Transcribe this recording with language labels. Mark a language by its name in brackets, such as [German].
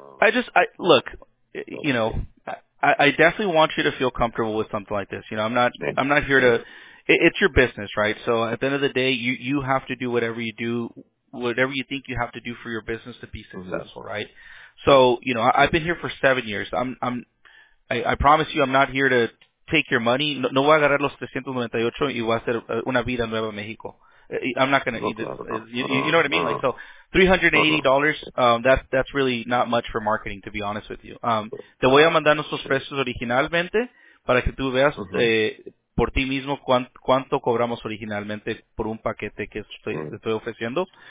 [English] I definitely want you to feel comfortable with something like this. You know, I'm not here to. It's your business, right? So at the end of the day, you have to do whatever you do, whatever you think you have to do for your business to be successful, mm-hmm. right? So, you know, I've been here for 7 years. I promise you, I'm not here to take your money. [Spanish] No, no voy a agarrar los 398 y voy a hacer una vida nueva en México. [English] I'm not going to eat this. You know what I mean? Like, so $380, that's really not much for marketing, to be honest with you. [Spanish] Te voy a mandar nuestros precios originalmente para que tú veas por ti mismo cuánto cobramos originalmente por un paquete que estoy ofreciendo.